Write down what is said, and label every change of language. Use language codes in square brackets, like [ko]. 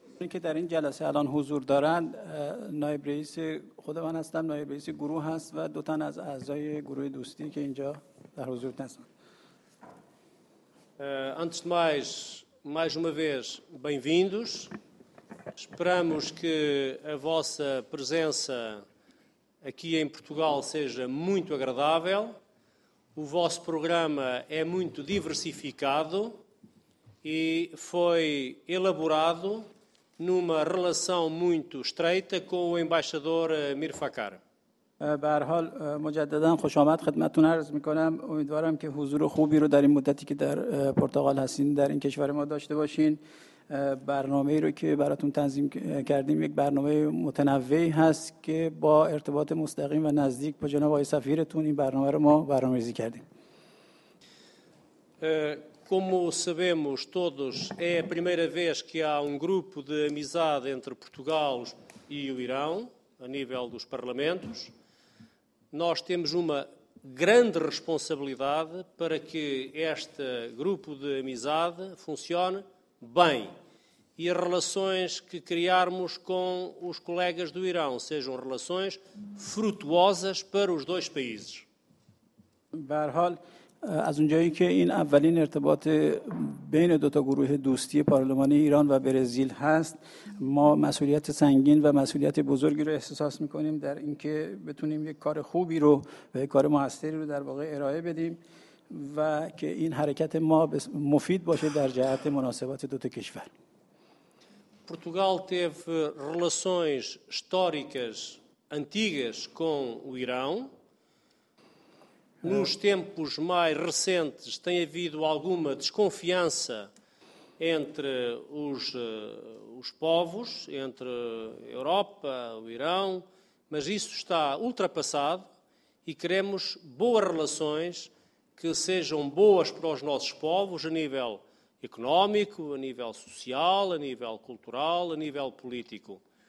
[fa] که در این جلسه الان حضور دارند نایب رئیس خود من هستم نایب رئیس گروه هست و دو تن از اعضای گروه دوستی که اینجا در حضور هستند. [pt] Antes de mais uma vez bem-vindos. Esperamos que a vossa presença aqui em Portugal seja muito agradável. O vosso programa é muito diversificado e foi elaborado numa relação muito estreita com o embaixador Mir Fakhar. [fa] برحال مجدداً خوش آمد خدمتون عرض میکنم. امیدوارم که حضور خوبی رو در این مدتی که در پرتغال هستین در این کشور ما داشته باشین. برنامه رو که براتون تنظیم کردیم یک برنامه متنوعی هست که با ارتباط مستقیم و نزدیک با جناب آقای سفیرتون این برنامه رو ما برنامه‌ریزی کردیم. [pt] Como sabemos todos, é a primeira vez que há um grupo de amizade entre Portugal e o Irão, a nível dos parlamentos. Nós temos uma grande responsabilidade para que este grupo de amizade funcione bem e as relações que criarmos com os colegas do Irão sejam relações frutuosas para os dois países. Barhol. [fa] از اونجایی که این اولین ارتباط بین دو تا گروه دوستی پارلمانی ایران و برزیل هست ما مسئولیت سنگین و مسئولیت بزرگی رو احساس می‌کنیم در اینکه بتونیم یک کار خوبی رو و یک کار موثری رو در واقع ارائه بدیم و که این حرکت ما مفید باشه در جهت مناسبات دو تا کشور. [pt] پرتغال teve relações históricas antigas com o Irão. Nos tempos mais recentes tem havido alguma desconfiança entre os povos, entre a Europa, o Irão, mas isso está ultrapassado e queremos boas relações que sejam boas para os nossos povos a nível económico, a nível social, a nível cultural, a nível político.